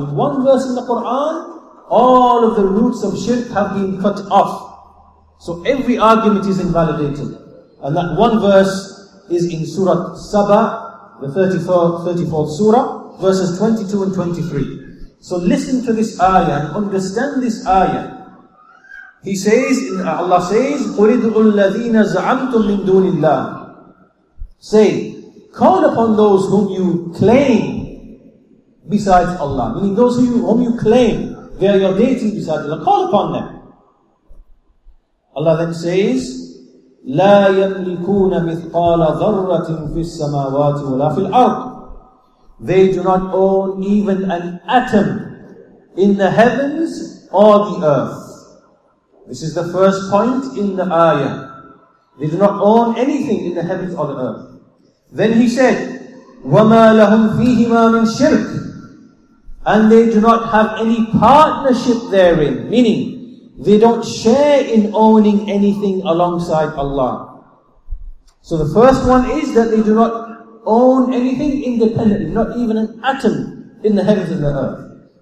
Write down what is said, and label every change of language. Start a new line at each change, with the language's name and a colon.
English: In one verse in the Qur'an, all of the roots of shirk have been cut off. So every argument is invalidated. And that one verse is in Surah Saba, the 34th Surah, verses 22 and 23. So listen to this ayah and understand this ayah. He says, Allah says,
Arabic: قُلِدْعُوا الَّذِينَ زَعَمْتُمْ مِن دُونِ اللَّهِ.
English: Say, call upon those whom you claim besides Allah. Meaning those whom you claim they are your deity besides Allah. Call upon them. Allah then says,
Arabic: لَا يَمْلِكُونَ مِثْقَالَ ذَرَّةٍ فِي السَّمَاوَاتِ وَلَا فِي الْأَرْضِ.
English: They do not own even an atom in the heavens or the earth. This is the first point in the ayah. They do not own anything in the heavens or the earth. Then he said,
Arabic: وَمَا لَهُمْ فِيهِمَا مِنْ شِرْكٍ.
English: And they do not have any partnership therein. Meaning, they don't share in owning anything alongside Allah. So the first one is that they do not own anything independently, not even an atom in the heavens and the earth.